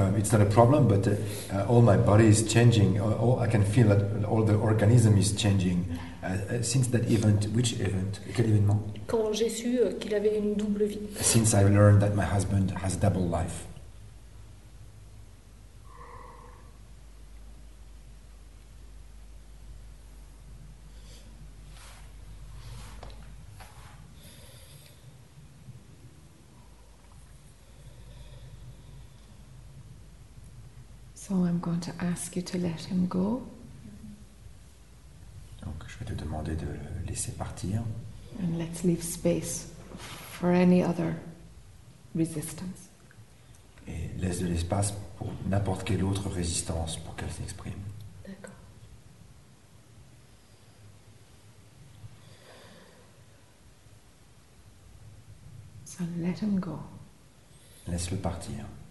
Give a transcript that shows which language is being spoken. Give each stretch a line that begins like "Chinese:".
English: It's not a problem, but all my body is changing. I can feel that all the organism is changing since that event. Which event?
French: Quel événement? Quand j'ai su qu'il avait une double vie.
English: Since I learned that my husband has double life. So I'm going to ask you to let him go.
French: Donc je vais te demander de le laisser partir.
English: And let's leave space for any other resistance.
French: Et laisse de l'espace pour n'importe quelle autre résistance pour qu'elle s'exprime. D'accord.
English: So let him go.
French: Laisse-le partir.